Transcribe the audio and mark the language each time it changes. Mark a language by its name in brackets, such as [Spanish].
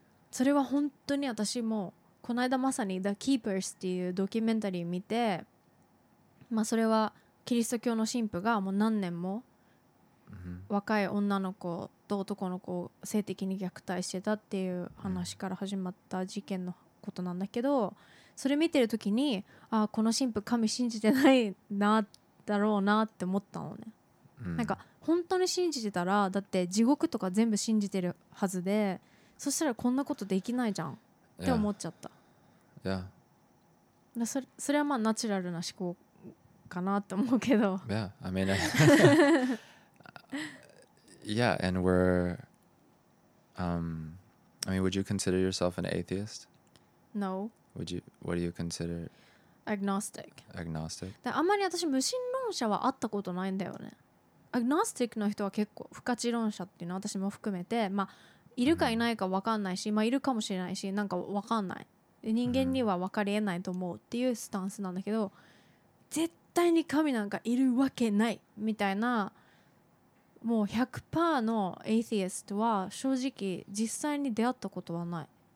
[Japanese] それは本当に私もこの間まさに The Keepers っていうドキュメンタリー見て、まあそれはキリスト教の神父がもう何年も若い女の子と男の子を性的に虐待してたっていう話から始まった事件のことなんだけど、それ見てる時に、ああこの神父神信じてないなだろうなって思ったのね。なんか本当に信じてたら、だって地獄とか全部信じてるはずで、そしたらこんなことできないじゃんって思っちゃった。 [English] Yeah. [Japanese] それはまあナチュラルな思考かなって思うけど。 [English] Yeah, I mean, yeah, and we're, I mean, would you consider yourself an atheist? No. Would you? What do you consider? Agnostic. Agnostic. [Japanese] で、あんまり私無神論者は会ったことないんだよね。Agnostic の人は結構不可知論者っていうのは私も含めて、まあ。いるかいないか分かんないし、まあ、いるかもしれないし、なんか分かんない、人間には分かりえないと思うっていうスタンスなんだけど、絶対に神なんかいるわけないみたいな、もう 100% のエイティストは正直実際に出会ったことはない。